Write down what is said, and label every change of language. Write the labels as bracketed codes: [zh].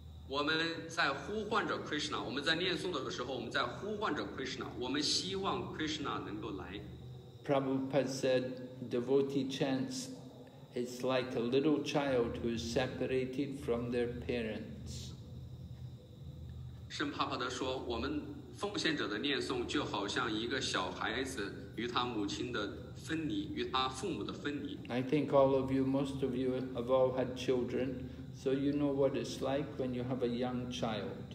[zh] 我们在呼唤着 Krishna. 我们在念诵的时候，我们在呼唤着 Krishna. 我们希望 Krishna 能够来。 [en] Prabhupada said, "Devotee chants. It's like a little child who is separated from their parents." [zh] 圣帕帕德说，我们 奉献者的念诵就好像一个小孩子与他母亲的分离，与他父母的分离。 [en] I think all of you, most of you have all had children, so you know what it's like when you have a young child.